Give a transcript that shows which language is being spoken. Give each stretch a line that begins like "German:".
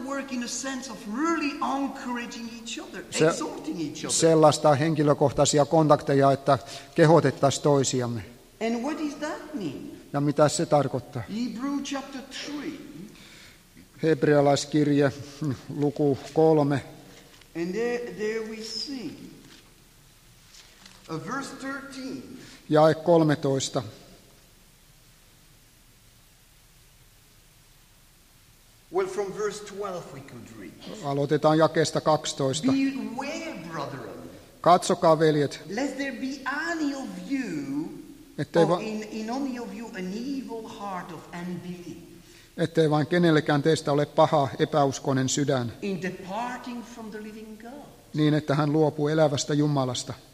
English: In a sense of really encouraging each other, exhorting each other.
Finnish: Sellaista henkilökohtaisia kontakteja, että kehotettaisiin toisiamme.
English: And what does that mean?
Finnish: Ja mitä se tarkoittaa?
English: Hebrews chapter 3.
Finnish: Hebrealaiskirje luku 3.
English: And there we see a verse 13.
Finnish: Jae 13.
English: Well, from verse 12 we could read.
Finnish: Aloitetaan jakeesta 12.
English: Beware, brethren.
Finnish: Katsokaa, veljet.
English: Lest there be any of you, ettei or in any of you, an evil heart of unbelief.
Finnish: Ettei vain kenellekään teistä ole paha epäuskoinen sydän.
English: In departing from the living God.
Finnish: Niin, että hän luopuu elävästä Jumalasta.